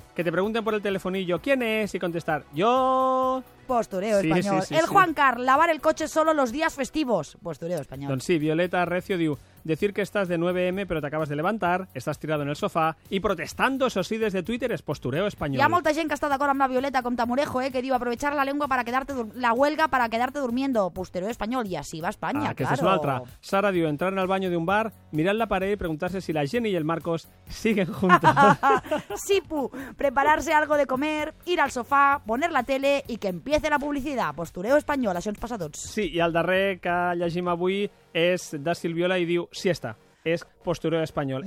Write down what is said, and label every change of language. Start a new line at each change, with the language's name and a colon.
Spanish: Que te pregunten por el telefonillo quién es y contestar, yo... Postureo sí, español. Sí, sí, el sí. Juan Car, lavar el coche solo los días festivos. Postureo español. Don sí, Violeta Recio diu, decir que estás de 9M pero te acabas de levantar, estás tirado en el sofá y protestando, eso sí, desde Twitter, es postureo español.
Catalan: Hi ha molta gent que està d'acord amb la Violeta com Tamurejo, que diu,
Spanish: aprovechar la lengua para quedarte la huelga para quedarte durmiendo. Postureo español. Y así va España, que claro.
Catalan: Que es una altra.
Spanish: Sara diu, entrar en el baño de un bar, mirar la pared y preguntarse si la Jenny y el Marcos siguen juntos. Sipu, prepararse algo de comer, ir al sofá, poner la tele y que empiece la publicidad.
Catalan: Postureo español, això ens passa a tots. Sí, i el darrer que llegim avui és de Silviola i diu, siesta, és postureo espanyol.